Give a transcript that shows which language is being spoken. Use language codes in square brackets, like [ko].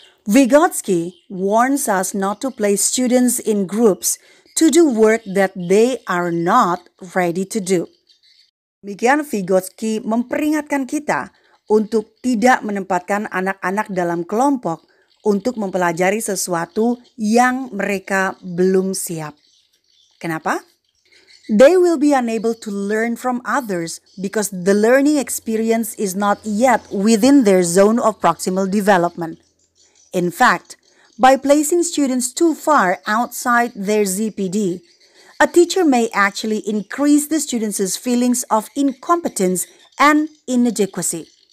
[en] Vygotsky warns us not to place students in groups to do work that they are not ready to do. [id] Demikian Vygotsky memperingatkan kita untuk tidak menempatkan anak-anak dalam kelompok untuk mempelajari sesuatu yang mereka belum siap. Kenapa? [en] They will be unable to learn from others because the learning experience is not yet within their zone of proximal development. In fact, by placing students too far outside their ZPD, a teacher may actually increase the students' feelings of incompetence and inadequacy.